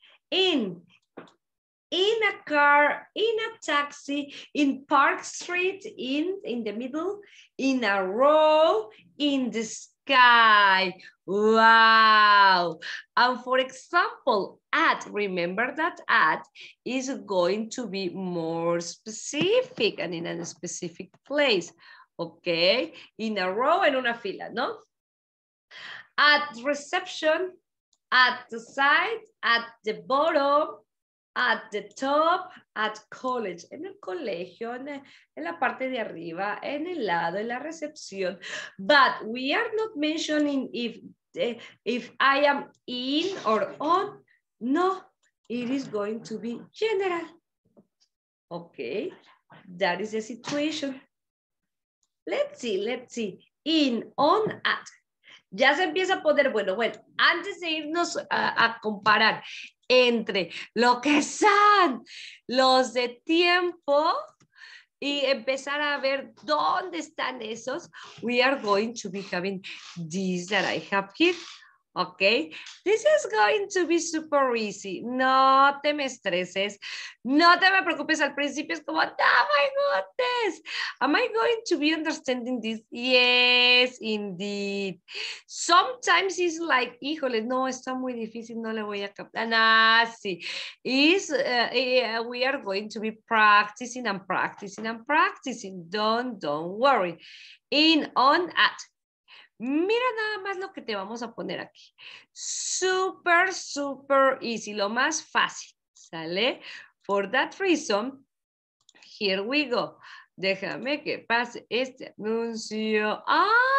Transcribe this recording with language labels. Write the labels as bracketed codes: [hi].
[en] In a car, in a taxi, in Park Street, in the middle, in a row, in the sky. Wow. And for example, at, remember that at is going to be more specific and in a specific place. Okay, in a row, [es] en una fila, ¿no? [en] At reception, at the side, at the bottom, at the top, at college. [es] En el colegio, en la parte de arriba, en el lado, en la recepción. [en] But we are not mentioning if I am in or on. No, it is going to be general. Okay, that is the situation. Let's see, in, on, at. [es] Ya se empieza a poner, bueno, antes de irnos a comparar entre lo que son los de tiempo y empezar a ver dónde están esos, [en] we are going to be having these that I have here, okay? This is going to be super easy. [es] No te me estreses. No te me preocupes. Al principio es como, [en] oh my goodness. Am I going to be understanding this? Yes, indeed. Sometimes it's like, [es] híjole, no, está muy difícil. No le voy a captar. Nah, sí. [en] We are going to be practicing and practicing and practicing. Don't worry. In, on, at. [es] Mira nada más lo que te vamos a poner aquí. [en] Super, super easy. [es] Lo más fácil, ¿sale? [en] For that reason, here we go. [es] Déjame que pase este anuncio. [en] ¡Ah!